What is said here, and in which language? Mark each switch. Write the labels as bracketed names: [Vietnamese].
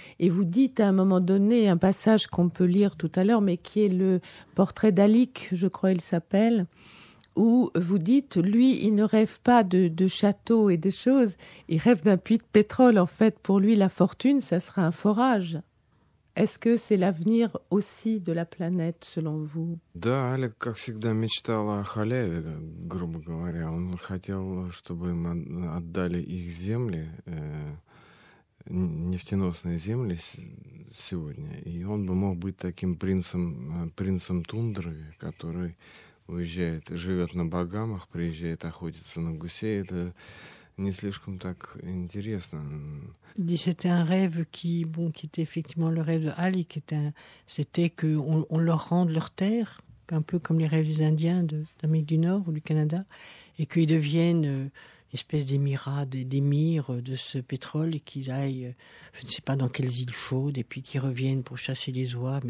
[French] Et vous dites à un moment donné un passage qu'on peut lire tout à l'heure, mais qui est le portrait d'Alik, je crois il s'appelle, où vous dites, lui, il ne rêve pas de châteaux et de choses, il rêve d'un puits de pétrole. En fait, pour lui, la fortune, ça sera un forage. Est-ce que c'est l'avenir aussi de la planète, selon vous? [Russian] Да, Алик, как всегда, мечтал о халяве, грубо говоря. Он хотел, чтобы им отдали их земли, нефтеносные земли сегодня. И он бы мог быть таким принцем тундры, который уезжает, живет на Багамах, приезжает охотиться на гусей. Это не слишком так интересно. [French] C'était un rêve qui était effectivement le rêve de Ali, c'était qu'on leur rende leur terre, un peu comme les rêves des Indiens d'Amérique du Nord ou du Canada, et qu'ils deviennent une espèce d'émirat, d'émir de ce pétrole, et qu'ils aillent, je ne sais pas, dans quelles îles chaudes, et puis qu'ils reviennent pour chasser les oies.